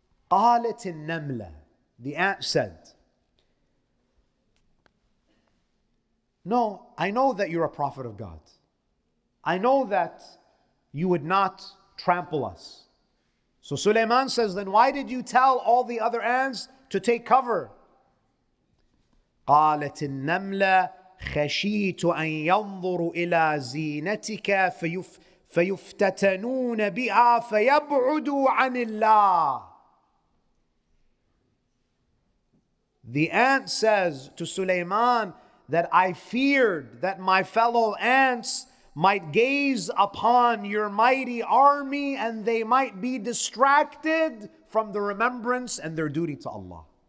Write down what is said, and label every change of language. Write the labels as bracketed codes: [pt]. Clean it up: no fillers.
[ar] قالت النملة, [en] the ant said, no, I know that you're a prophet of God. I know that you would not trample us. So Sulaiman says, then why did you tell all the other ants to take cover? [ar] قالت النملة خشيت أن ينظروا إلى زينتك فيفتتنون بها فيبعدوا عن الله. [en] The ant says to Sulaiman that I feared that my fellow ants might gaze upon your mighty army and they might be distracted from the remembrance and their duty to Allah.